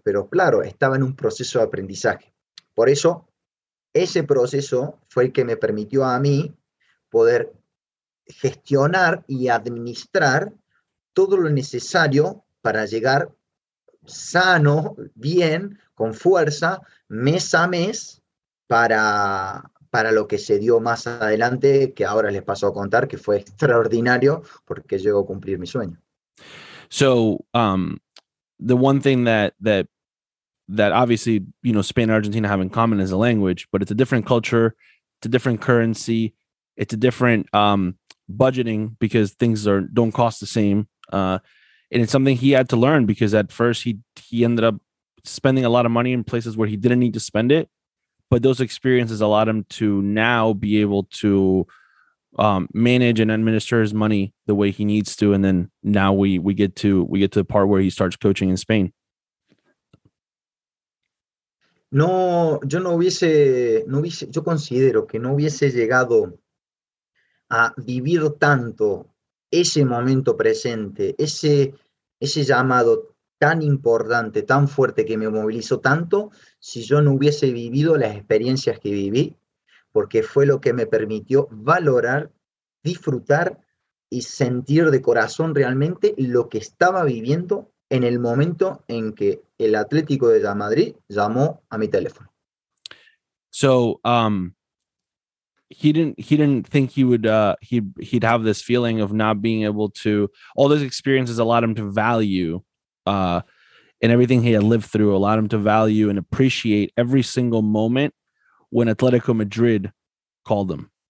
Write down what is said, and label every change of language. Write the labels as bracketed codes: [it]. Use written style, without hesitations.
[es] Pero claro, estaba en un proceso de aprendizaje. Por eso, ese proceso fue el que me permitió a mí poder gestionar y administrar todo lo necesario para llegar sano, bien, con fuerza, mes a mes, para lo que se dio más adelante, que ahora les paso a contar, que fue extraordinario, porque llegó a cumplir mi sueño. [en] So, the one thing that obviously, you know, Spain and Argentina have in common is a language, but it's a different culture, it's a different currency, it's a different budgeting, because things don't cost the same. And it's something he had to learn, because at first he ended up spending a lot of money in places where he didn't need to spend it. But those experiences allowed him to now be able to manage and administer his money the way he needs to. And then now we get to the part where he starts coaching in Spain. [es] No, yo no hubiese, yo considero que no hubiese llegado a vivir tanto ese momento presente, ese llamado tan importante, tan fuerte que me movilizó tanto, si yo no hubiese vivido las experiencias que viví, porque fue lo que me permitió valorar, disfrutar y sentir de corazón realmente lo que estaba viviendo en el momento en que el Atlético de Madrid llamó a mi teléfono. [en] So, he didn't think he'd have this feeling of not being able to, all those experiences allowed him to value and everything he had lived through allowed him to value and appreciate every single moment when Atletico Madrid called him.